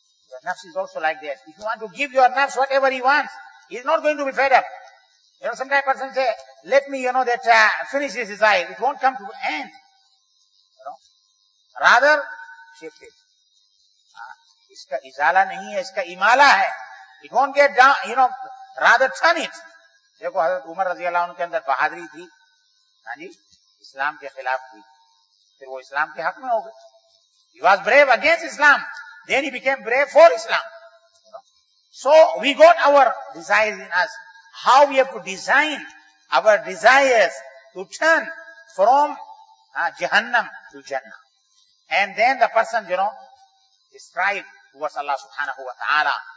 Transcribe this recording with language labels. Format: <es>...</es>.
<en>Your نفس is also like that if you want to give your نفس whatever he wants he is not going to be fed up you know some time person say let me you know that finish this desire it won't come to end Rather, shift it.</en> <ur>Iska izala nahi hai, iska imala hai.</ur> <en>It won't get down, you know, rather turn it.</en> <ur>Dekho, Hazrat Umar رضی اللہ عنہ کے اندر بہادری تھی. ہاں جی, اسلام کے خلاف تھی. پھر وہ اسلام کے حق میں ہو گئے.</ur> <en>He was brave against Islam. Then he became brave for Islam. So, we got our desires in us. How we have to design our desires to turn from Jahannam to Jannah. And then the person, you know, is tried towards Allah subhanahu wa ta'ala.</en>